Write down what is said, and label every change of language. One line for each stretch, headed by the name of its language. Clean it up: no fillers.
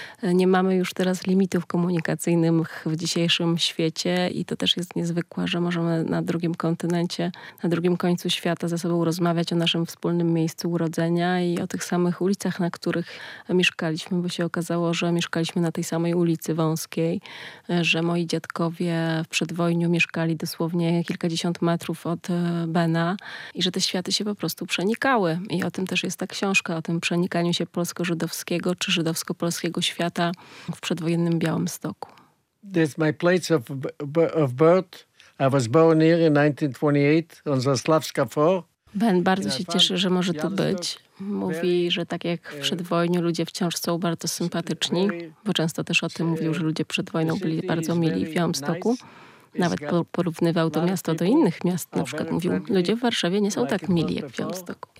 Polish: nie mamy już teraz limitów komunikacyjnych w dzisiejszym świecie i to też jest niezwykłe, że możemy na drugim kontynencie, na drugim końcu świata ze sobą rozmawiać o naszym wspólnym miejscu urodzenia i o tych samych ulicach, na których mieszkaliśmy, bo się okazało, że mieszkaliśmy na tej samej ulicy Wąskiej, że moi dziadkowie w przedwojniu mieszkali dosłownie kilkadziesiąt metrów od Bena i że te światy się po prostu przenikały. I o tym też jest ta książka, o tym przenikaniu się polsko-żydowskiego czy żydowsko-polskiego świata w przedwojennym Białymstoku.
English: This is my place of birth. I was born here in 1928 on Zaslavska 4.
Polish: Ben bardzo się cieszy, że może tu być. Mówi, że tak jak w przedwojniu ludzie wciąż są bardzo sympatyczni, bo często też o tym mówił, że ludzie przed wojną byli bardzo mili w Białymstoku. Nawet porównywał to miasto do innych miast. Na przykład mówił, ludzie w Warszawie nie są tak mili jak w Białymstoku.